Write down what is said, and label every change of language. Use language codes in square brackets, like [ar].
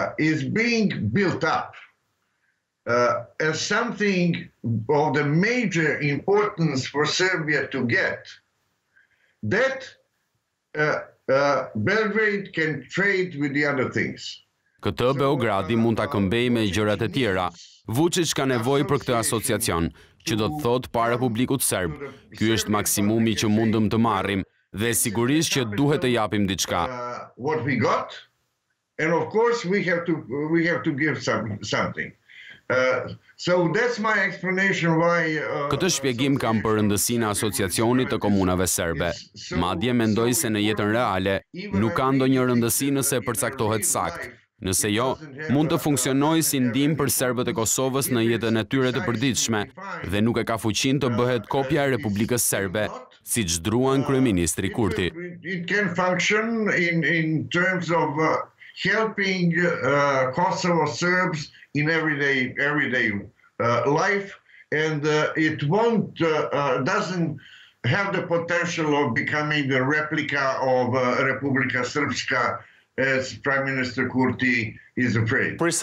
[en] Is being built up as something of the major importance for Serbia to get, that Belgrade can trade with the other things. [sq] Këtë Beogradi mund ta këmbejë me gjërat e tjera. Vučić ka nevojë për këtë asociacion, që do të thotë para publikut serb. Ky është maksimumi që mundëm të marrim dhe sigurisht që duhet të japim diçka. [en] What we got? And of course we have to give something. So that's my explanation why [sq] këtë shpjegim kam për rëndësinë e asociacionit të komunave serbe. Madje mendoj se në jetën reale nuk ka ndonjë rëndësi nëse përcaktohet sakt. Nëse jo, mund të funksionojë si ndihmë për serbët e Kosovës në jetën e tyre të përditshme dhe nuk e ka fuqinë të bëhet kopja e Republikës Serbe, siç druan kryeministri Kurti. [en] It can function in terms of helping Kosovo Serbs in everyday life, and it won't doesn't have the potential of becoming the replica of Republika Srpska, as Prime Minister Kurti is afraid.